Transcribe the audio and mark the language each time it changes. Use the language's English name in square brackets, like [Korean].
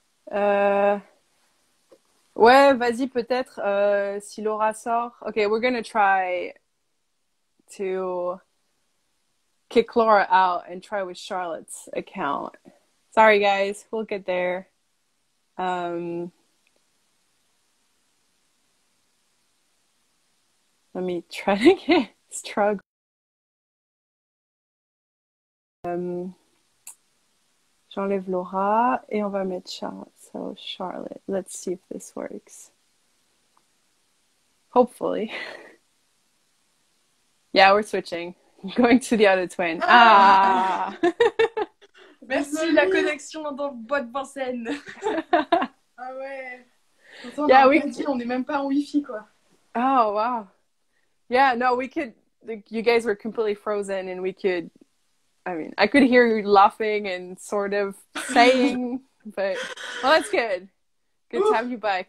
[French] Ouais, vas-y, peut-être, si Laura sort. [English] Okay, we're going to try to kick Laura out and try with Charlotte's account. Sorry, guys. We'll get there. Let me try to get struggle. [French] J'enlève Laura et on va mettre Charlotte. [English] So Charlotte, let's see if this works. Hopefully. Yeah, we're switching. I'm going to the other twin. Ah! [French] Merci, la connexion dans la boîte Vincennes. Ah ouais. On yeah, on n'est même pas en Wi-Fi, quoi. [English] Oh, wow. Yeah, no, we could... Like, you guys were completely frozen and we could... I mean, I could hear you laughing and sort of saying, but... Well, that's good. Good to have you back.